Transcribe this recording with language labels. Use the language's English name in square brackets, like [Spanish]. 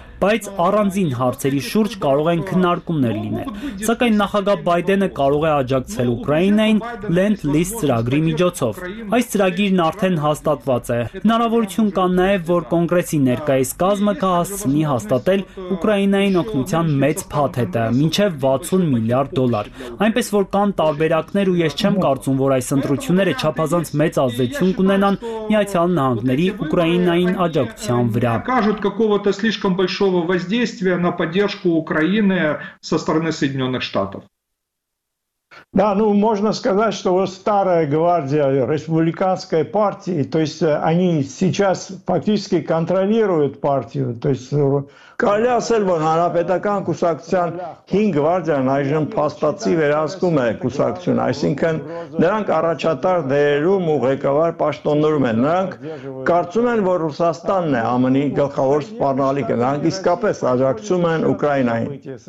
[Armenian] բայց առանձին հարցերի շուրջ կարող են քննարկումներ լինել։ Սակայն նախագահ Բայդենը կարող է աջակցել Ուկրաինային Lend-Lease ծրագրի միջոցով։ Այս ծրագիրն արդեն հաստատված է։ Հնարավորություն կա նաև, որ կոնգրեսի ներկայիս կազմը կհասցնի հաստատել Ուկրաինային օգնության մեծ փաթեթը, մինչև 60 միլիարդ դոլար։ Այնպես որ կան տարբերակներ, ու ես չեմ կարծում, որ այս ընտրությունները չափազանց մեծ ազդեցություն կունենան Միացյալ Նահանգների Ուկրաինային աջակցության վրա։ [Russian] Большого воздействия на поддержку Украины со стороны Соединенных Штатов. Да, ну можно сказать, что вот старая гвардия республиканской партии, то есть [Armenian] они сейчас фактически контролируют партию, то есть Կալյա Սելվոն հանրապետական կուսակցության հին գվարդիան այժմ փաստացի վերահսկում է կուսակցությունը, այսինքն նրանք առաջատար դերերում ու ղեկավար պաշտոններում են, նրանք կարծում են, որ Ռուսաստանն է ԱՄՆ-ի գլխավոր սպառնալիքը, նրանք իսկապես աջակցում են Ուկրաինային։